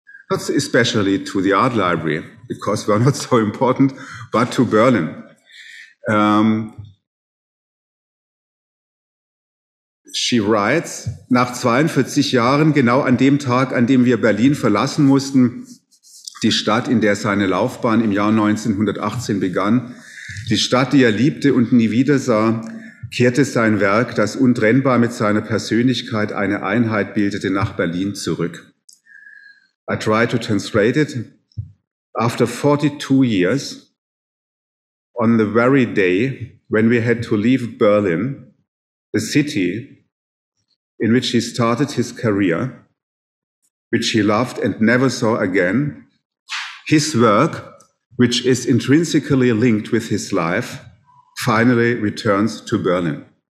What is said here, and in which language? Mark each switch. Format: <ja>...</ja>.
<en>Not especially to the art library, because we're not so important, but to Berlin. She writes,</en> <de>nach 42 Jahren, genau an dem Tag, an dem wir Berlin verlassen mussten, die Stadt, in der seine Laufbahn im Jahr 1918 begann, die Stadt, die er liebte und nie wieder sah, kehrte sein Werk, das untrennbar mit seiner Persönlichkeit eine Einheit bildete, nach Berlin zurück.</de> <en>I try to translate it. After 42 years, on the very day when we had to leave Berlin, the city in which he started his career, which he loved and never saw again, his work, which is intrinsically linked with his life, finally returns to Berlin.</en>